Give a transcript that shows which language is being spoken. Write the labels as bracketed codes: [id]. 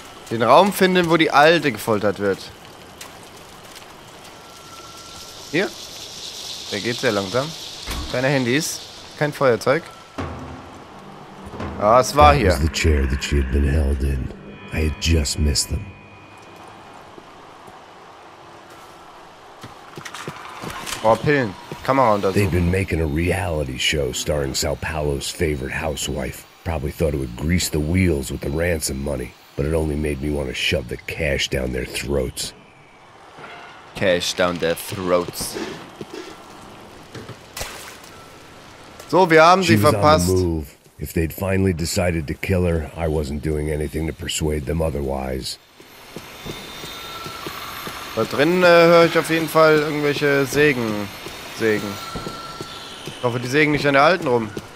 [de] Den Raum finden, wo die Alte gefoltert wird. Hier? Der geht sehr langsam. Keine Handys, kein Feuerzeug. Ah, es war hier. [en] The chair that she had been held in. I had just missed them. [de] Oh, Pillen. Kamera untersuchen. [en] They've been making a reality show starring Sao Paulo's favorite housewife. Probably thought it would grease the wheels with the ransom money, but it only made me want to shove the cash down their throats. Cash down their throats. [de] So, wir haben sie verpasst. [en] If they'd finally decided to kill her, I wasn't doing anything to persuade them otherwise. [de] Da drin höre ich auf jeden Fall irgendwelche Sägen. Sägen. Ich hoffe, die sägen nicht an der alten rum.